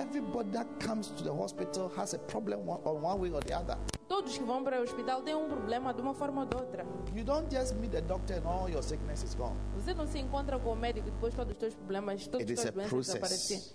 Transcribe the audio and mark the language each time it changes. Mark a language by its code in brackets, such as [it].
[en] Everybody that comes to the hospital has a problem on one way or the other. [pt] Todos que vão para o hospital têm problema de uma forma ou de outra. [en] You don't just meet the doctor and all your sickness is gone. [pt] Você não se encontra com o médico e depois todos os seus problemas, todas as doenças desaparecem.